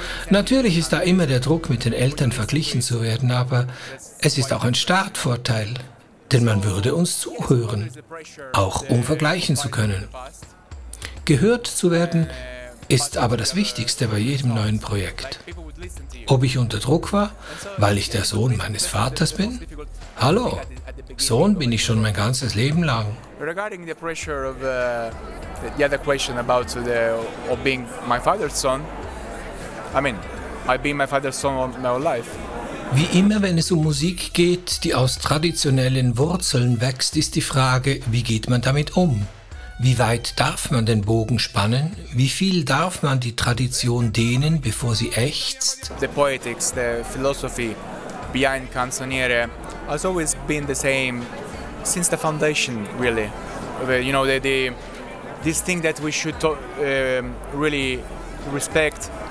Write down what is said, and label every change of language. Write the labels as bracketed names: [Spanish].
[German] Natürlich ist da immer der Druck, mit den Eltern verglichen zu werden, aber es ist auch ein Startvorteil, denn man würde uns zuhören, auch um vergleichen zu können. Gehört zu werden, ist aber das Wichtigste bei jedem neuen Projekt. Ob ich unter Druck war, weil ich der Sohn meines Vaters bin? Hallo, Sohn bin ich schon mein ganzes Leben lang. [English] Regarding the pressure of the other question about of being my father's son, I mean, I've been my father's son all my life. [German] Wie immer, wenn es um Musik geht, die aus traditionellen Wurzeln wächst, ist die Frage, wie geht man damit um? Wie weit darf man den Bogen spannen? Wie viel darf man die Tradition dehnen, bevor sie ächzt? [English] The poetics, the philosophy behind Canzoniere has always been the same since the foundation, really. You know, this thing that we should really respect.